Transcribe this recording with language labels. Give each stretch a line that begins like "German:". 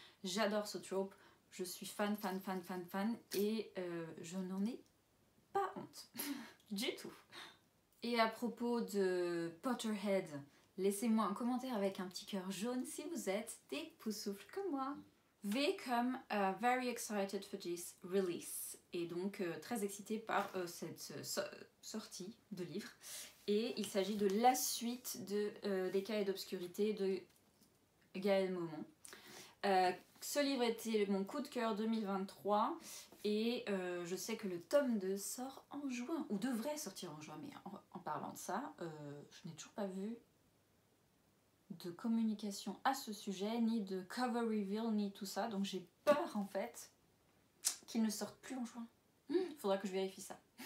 French: J'adore ce trope. Je suis fan. Et je n'en ai pas honte. Du tout. Et à propos de Potterhead, laissez-moi un commentaire avec un petit cœur jaune si vous êtes des poussoufles comme moi. V comme
English: very excited for this release.
French: Et donc très excitée par cette sortie de livre. Et il s'agit de la suite des Cahiers d'obscurité de Gaëlle Maumont. Ce livre était mon coup de cœur 2023 Et je sais que le tome 2 sort en juin, ou devrait sortir en juin, mais en parlant de ça, je n'ai toujours pas vu de communication à ce sujet, ni de cover reveal, ni tout ça, donc j'ai peur en fait qu'il ne sorte plus en juin. Faudra que je vérifie ça.